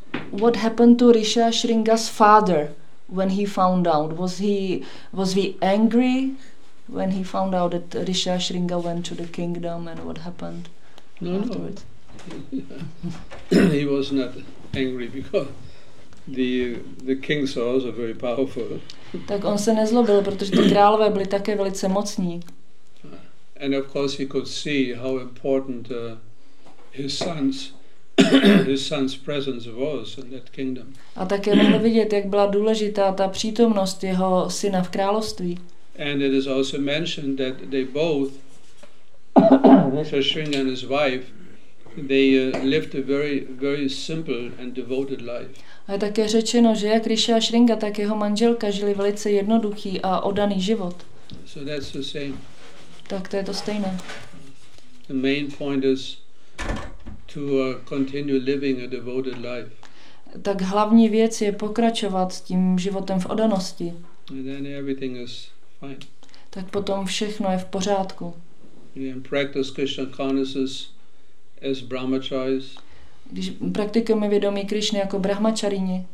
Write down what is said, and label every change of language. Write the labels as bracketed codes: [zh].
[en] What happened to Risha Sringa's father when he found out? Was he angry when he found out that Risha Sringa went to the kingdom, and what happened afterwards? He was not angry because the kings also very powerful. [cs] Tak on se nezlobil, protože ty králové byli také velice mocní. [en] And of course he could see how important his son's presence was in that kingdom. [cs] A také mohl vidět, jak byla důležitá ta přítomnost jeho syna v království. [en] And it is also mentioned that they both, Shashringa and his wife, they lived a very, very simple and devoted life. [cs] A je také řečeno, že jak Risha a Sringa, tak jeho manželka žili velice jednoduchý a oddaný život. [en] So that's the same. [cs] Tak to je to stejné. [en] The main point is to continue living a devoted life. [cs] Tak hlavní věc je pokračovat s tím životem v oddanosti. [en] And then everything is fine. [cs] Tak potom všechno je v pořádku. [en] And practice Krishna consciousness as brahmacharis. [cs] Když praktikujeme vědomí Krišny jako brahmačarini,